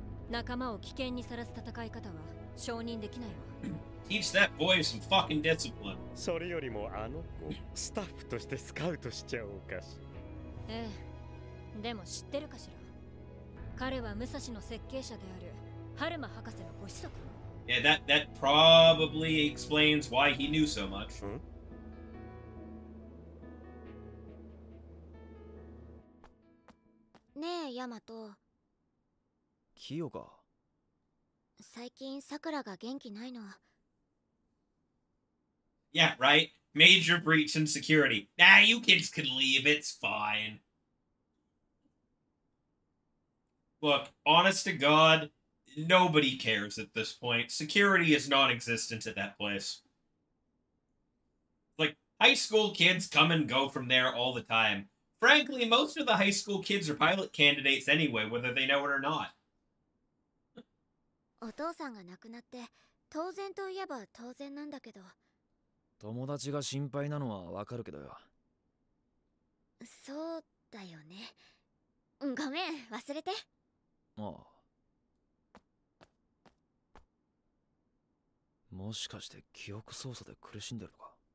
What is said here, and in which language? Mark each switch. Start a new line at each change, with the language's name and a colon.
Japanese: 仲間を危険にさらす戦い方は承認できないわ。
English: Teach that boy some fucking discipline.
Japanese: それよりもあの子、スタッフとしてスカウトしちゃおうかし。ええ。でも知ってるかしら。彼は武蔵の設計者である、ハルマ博士のご子息。
English: Yeah, that probably explains why he knew so much. ん？
Japanese: ねえ、ヤマト。キヨが最近サクラが元気ないの。
English: Yeah, right. Major breach in security. Nah, you kids can leave. It's fine. Look, honest to God, nobody cares at this point. Security is non-existent at that place. Like, high school kids come and go from there all the time. Frankly, most of the high school kids are pilot candidates anyway, whether they know it or not.
Japanese: お父さんが亡くなって当然といえば当然なんだけど、友達が心配なのはわかるけどよ。そうだよね。ごめん、忘れて。ああ、もしかして記憶操作で苦しんでるのか。